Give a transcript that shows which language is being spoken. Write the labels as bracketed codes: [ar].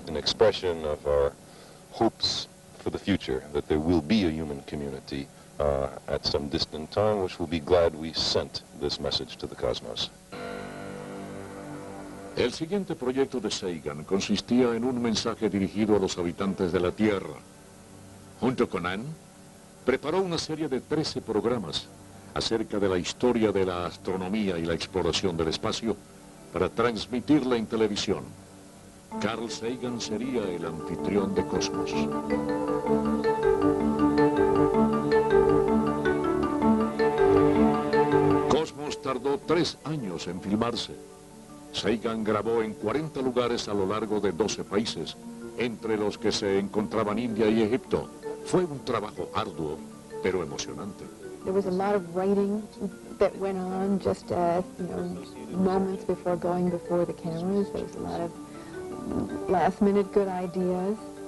[en] An expression of our hopes for the future, that there will be a human community at some distant time, which will be glad we sent this message to the cosmos. [es] El siguiente proyecto de Sagan consistía en un mensaje dirigido a los habitantes de la Tierra. Junto con Ann, preparó una serie de 13 programas acerca de la historia de la astronomía y la exploración del espacio para transmitirla en televisión. Carl Sagan sería el anfitrión de Cosmos. Cosmos tardó 3 años en filmarse. Sagan grabó en 40 lugares a lo largo de 12 países, entre los que se encontraban India y Egipto. Fue un trabajo arduo, pero emocionante. [en] There was a lot of writing that went on just moments before going before the cameras. There was a lot of last-minute good ideas.